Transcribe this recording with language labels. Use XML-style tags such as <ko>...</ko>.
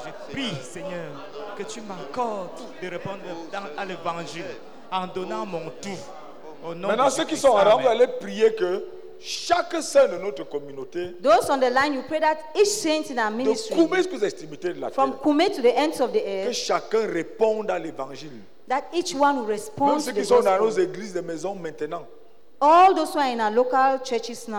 <fr>Prie, Seigneur, que tu m'accordes de répondre à l'évangile en donnant mon tout. Au nom Maintenant, de ceux qui sont en rang, allez prier que chaque saint de notre communauté.</fr> <en>Those on the line, you pray that each saint in our ministry.</en> <fr>De Koumé jusqu'aux extrémités de la terre.</fr> <en>From Koumé to the ends of the earth.</en> <fr>Que chacun réponde à l'évangile.</fr> <en>That each one will respond.</en> <fr>Même ceux qui sont dans nos églises de maison maintenant.</fr> <en>All those who are in our local churches now.</en>